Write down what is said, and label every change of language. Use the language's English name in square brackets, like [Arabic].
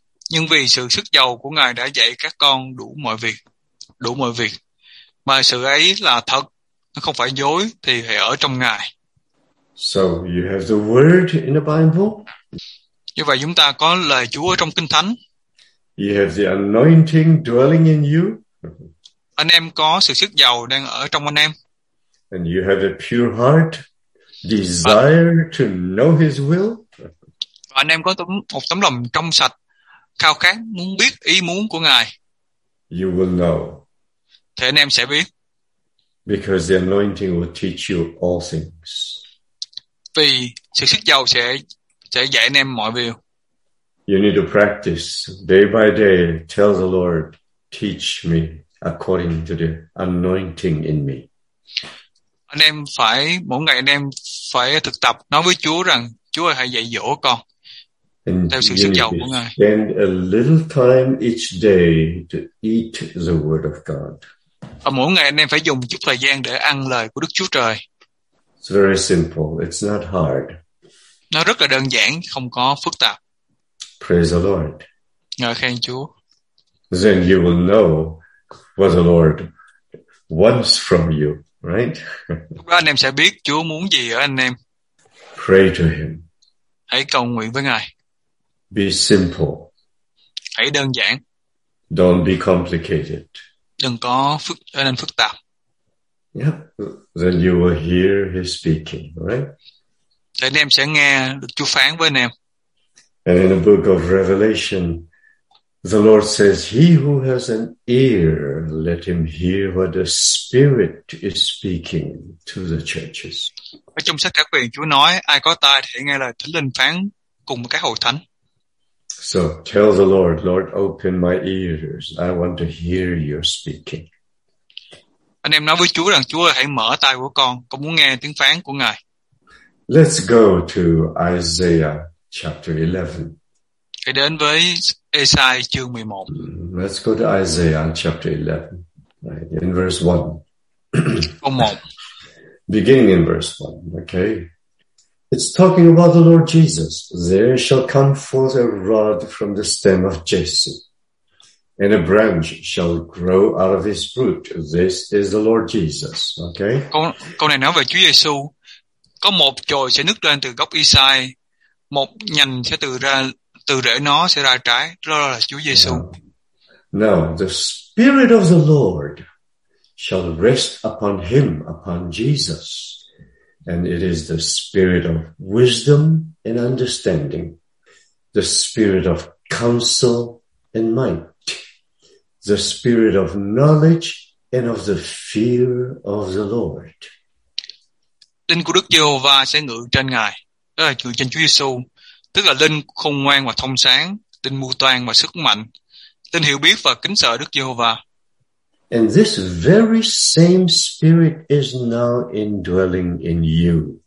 [Vietnamese] Nhưng vì sự sức dầu của Ngài đã dạy các con đủ mọi việc, mà sự ấy là thật, không phải dối, thì hãy ở trong Ngài. [English] So you have the word in the Bible. [Vietnamese] Như vậy chúng ta có lời Chúa trong Kinh Thánh. [English] You have the anointing dwelling in you. [Vietnamese] Anh em có sự sức dầu đang ở trong anh em. [English] And you have a pure heart, desire to know his will. [Vietnamese] Anh em có một tấm lòng trong sạch, khao khát muốn biết ý muốn của Ngài. [English] You will know. [Vietnamese] Thế anh em sẽ biết. [English] Because the anointing will teach you all things. [Vietnamese] Vì sự sức dầu sẽ dạy anh em mọi điều. [English] You need to practice day by day. Tell the Lord, teach me according to the anointing in me. [Vietnamese] Anh em phải mỗi ngày anh em phải thực tập nói với Chúa rằng Chúa ơi hãy dạy dỗ con. [English] And [Vietnamese] theo sự sức dầu của Ngài. [English] Spend a little time each day to eat the word of God. [Vietnamese] Và mỗi ngày anh em phải dùng chút thời gian để ăn lời của Đức Chúa Trời. [English] It's very simple. It's not hard. [Vietnamese] Nó rất là đơn giản, không có phức tạp. [English] Praise the Lord. [Vietnamese] Ngợi khen Chúa. [English] Then you will know what the Lord wants from you, right? [Vietnamese] Anh em sẽ biết Chúa muốn gì ở anh em. [English] Pray to him. [Vietnamese] Hãy cầu nguyện với Ngài. [English] Be simple. [Vietnamese] Hãy đơn giản. [English] Don't be complicated. [Vietnamese] Đừng có phức tạp. [English] Yeah. Then you will hear his speaking, right? [Vietnamese] Thì anh em sẽ nghe được Chúa phán với anh em. [English] And in the book of Revelation, the Lord says, he who has an ear, let him hear what the Spirit is speaking to the churches. [Vietnamese] Ở trong sách các quyển Chúa nói, ai có tai thì nghe lời Thánh Linh phán cùng với các hội thánh. [English] So tell the Lord, Lord, open my ears. I want to hear your speaking. [Vietnamese] Anh em nói với Chúa rằng, Chúa ơi, hãy mở tai của con muốn nghe tiếng phán của Ngài. [English] Let's go to Isaiah chapter 11. [Vietnamese] Hãy đến với Esai chương 11. [English] Let's go to Isaiah chapter 11, right, in verse 1. [Vietnamese] Câu 1. [English] Beginning in verse 1, okay. It's talking about the Lord Jesus. There shall come forth a rod from the stem of Jesse, and a branch shall grow out of his root. This is the Lord Jesus. Okay. [Vietnamese] Câu này nói về Chúa Giêsu. Có một chồi sẽ nứt lên từ gốc Isai, một nhành sẽ từ rễ nó sẽ ra trái. Đó là Chúa Giêsu. [English] Now the Spirit of the Lord shall rest upon him, upon Jesus. And it is the spirit of wisdom and understanding, the spirit of counsel and might, the spirit of knowledge and of the fear of the Lord. [Vietnamese] Linh của Đức Giê-hô-va sẽ ngự trên Ngài, ngự trên Chúa Giê-xu, tức là linh khôn ngoan và thông sáng, linh mưu toan và sức mạnh, linh hiểu biết và kính sợ Đức Giê-hô-va. [English] And this very same spirit is now indwelling in you.